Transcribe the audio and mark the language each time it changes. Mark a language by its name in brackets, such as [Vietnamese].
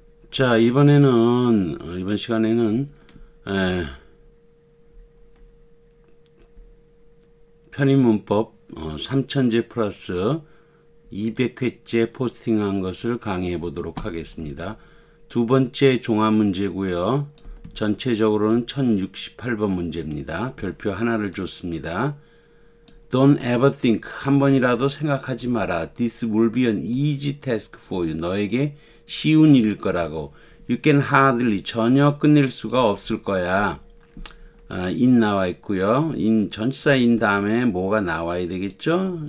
[Korean] 자, 이번 시간에는 편입문법 3000제 플러스 200회째 포스팅한 것을 강의해 보도록 하겠습니다. 두 번째 종합 문제고요. 전체적으로는 1068번 문제입니다. 별표 하나를 줬습니다. [English] Don't ever think. [Korean] 한 번이라도 생각하지 마라. [English] This will be an easy task for you. [Korean] 너에게 쉬운 일일 거라고. [English] You can hardly. [Korean] 전혀 끝낼 수가 없을 거야. in 나와 있고요. in 전치사 in 다음에 뭐가 나와야 되겠죠?